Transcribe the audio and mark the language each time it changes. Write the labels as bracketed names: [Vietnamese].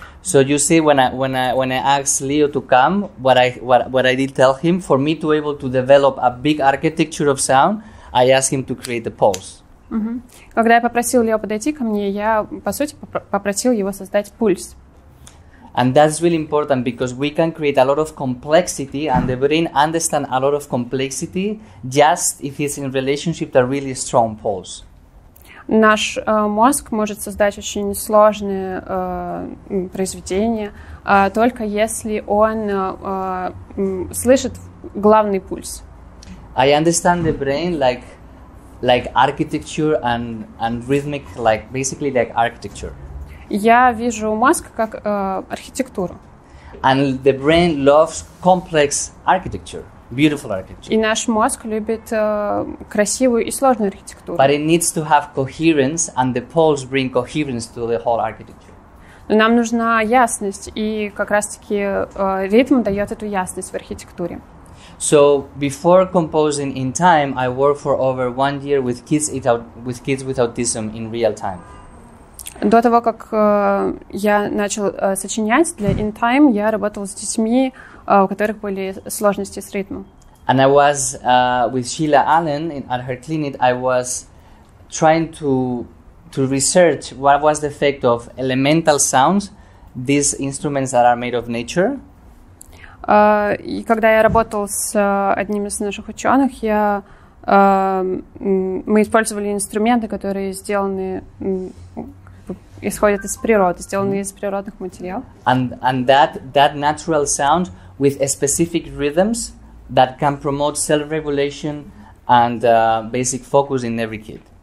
[English] So you see, when I asked Leo to come, what I did tell him, for me to able to develop a big architecture of sound, I asked him to create the pulse. Mm-hmm. [Russian] Когда я попросил Лео подойти ко мне, я по сути попросил его создать пульс. [English] And that's really important because we can create a lot of complexity and the brain understand a lot of complexity just if it's in relationship to a really strong pulse. [Russian] Наш мозг может создать очень сложные произведения, только если он слышит главный пульс. [English] I understand the brain like architecture and rhythmic, like basically like architecture. [Russian] Я вижу мозг как архитектуру. [English] And the brain loves complex architecture. beautiful architecture. [Russian] И наш мозг любит красивую и сложную архитектуру. [English] But it needs to have coherence, and the poles bring coherence to the whole architecture. [Russian] Но нам нужна ясность, и как раз-таки ритм дает эту ясность в архитектуре. [English] So before composing in time, I worked for over one year with kids with autism in real time. [Russian] До того, как я начал сочинять для In Time, я работал с детьми, у которых были сложности с ритмом. [English] And I was with Sheila Allen at her clinic. I was trying to research what was the effect of elemental sounds, these instruments that are made of nature. [Russian] И когда я работал с одним из наших ученых, мы использовали инструменты, которые сделаны, исходят из природы, сделаны из природных материалов. [English] And that natural sound with specific rhythms that can promote self-regulation and basic focus in every kid.